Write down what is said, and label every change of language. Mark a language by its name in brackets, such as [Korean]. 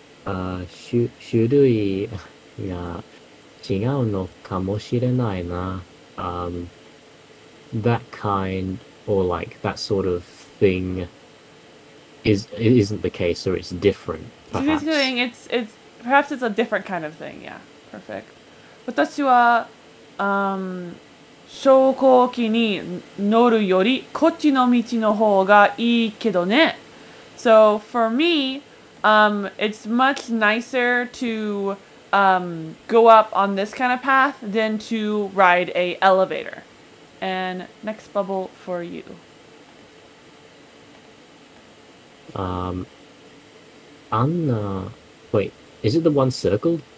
[Japanese] Shurui ga chigau no kamoshirenai na. [English] That kind, or like, that sort of thing isn't the case, or it's different, perhaps. She's doing, perhaps it's a different kind of thing, yeah. Perfect. [Japanese] 私は、昇降機に乗るよりこっちの道の方がいいけどね。 [English] So, for me, it's much nicer to go up on this kind of path than to ride a elevator. And next bubble for you. Anna, wait, is it the one circled?